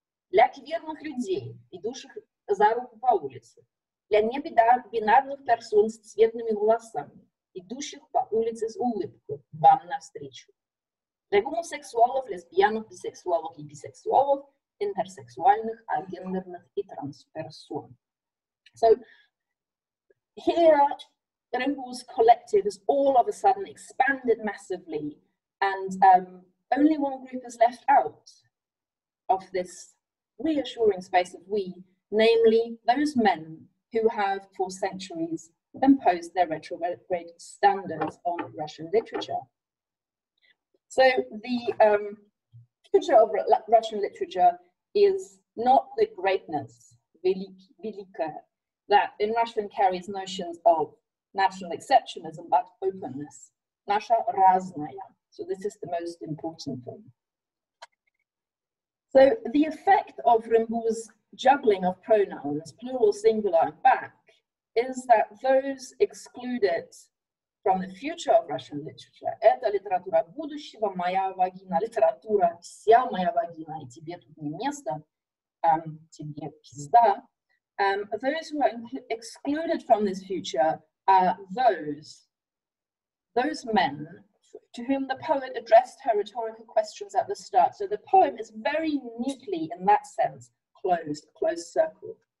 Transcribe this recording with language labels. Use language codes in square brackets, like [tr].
[ru] Для квирных людей, идущих за руку по улице. Для небинарных персон с цветными волосами, идущих по улице с улыбкой вам навстречу. Для гомосексуалов, лесбиянок, бисексуалов и бисексуалов, интерсексуальных, агендерных и трансперсон. [en] So, here, Rymbu's collective is all of a sudden expanded massively, and only one group is left out of this reassuring space of we, namely those men who have for centuries imposed their retrograde standards on Russian literature. So the future of Russian literature is not the greatness, velika, that in Russian carries notions of national exceptionalism, but openness, naša raznaya. So this is the most important thing. So the effect of Rymbu's juggling of pronouns, plural, singular, and back, is that those excluded from the future of Russian literature. [ru] Это литература будущего, моя вагина, литература, вся моя вагина, и тебе тут не место, тебе пизда. [en] Those who are excluded from this future are those men to whom the poet addressed her rhetorical questions at the start. So the poem is very neatly, in that sense, closed circle.